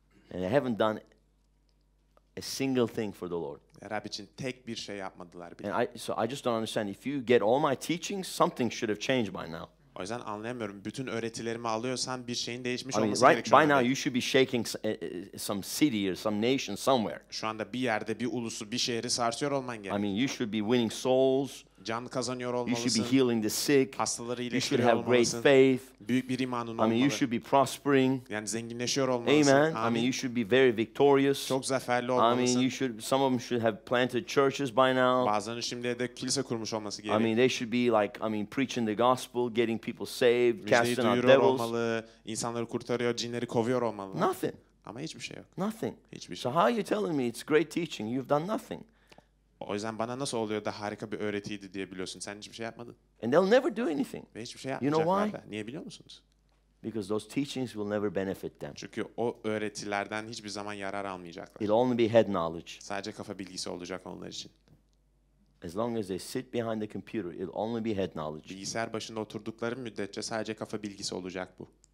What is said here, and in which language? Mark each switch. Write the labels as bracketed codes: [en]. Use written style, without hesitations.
[en] And they haven't done a single thing for the Lord. [tr] Rab için tek bir şey yapmadılar bile. [en] And I just don't understand. If you get all my teachings, something should have changed by now. [tr] O yüzden anlayamıyorum. Bütün öğretilerimi alıyorsan bir şeyin değişmiş olması gerekiyor. [en] Right by now you should be shaking some city or some nation somewhere. [tr] Şu anda bir yerde bir ulusu, bir şehri sarsıyor olman gerekiyor. [en] I mean you should be winning souls. [tr] Can kazanıyor olmalısın. [en] You should be healing the sick. [tr] Hastaları iyileştiriyor olmalısın. [en] You should have [tr] olmalısın. [en] Great faith. [tr] Büyük bir imanın olmalı. [en] I mean you should be prospering. [tr] Yani zenginleşiyor olmalısın. [en] Amen. [tr] Amin. [en] I mean you should be very victorious. [tr] Çok zaferli olmalısın. [en] I mean you should, some of them should have planted churches by now. [tr] Bazıları şimdiye de kilise kurmuş olması gerekiyor. [en] I mean they should be like, I mean preaching the gospel, getting people saved, [tr] müjdeyi [en] casting out devils. [tr] Olmalı. İnsanları kurtarıyor, cinleri kovuyor olmalı. [en] Nothing. [tr] Ama hiçbir şey yok. [en] Nothing. [tr] Hiçbir şey. [en] So how are you telling me it's great teaching? You've done nothing. [tr] O yüzden bana nasıl oluyor da harika bir öğretiydi diye biliyorsun. Sen hiçbir şey yapmadın. [en] And they'll never do anything. [tr] Ve hiçbir şey yapmayacak. [en] You know why? [tr] Niye biliyor musunuz? [en] Because those teachings will never benefit them. [tr] Çünkü o öğretilerden hiçbir zaman yarar almayacaklar. [en] It'll only be head knowledge. [tr] Sadece kafa bilgisi olacak onlar için. [en] As long as they sit behind the computer, it'll only be head knowledge. [tr] Bilgisayar başında oturdukları müddetçe sadece kafa bilgisi olacak bu.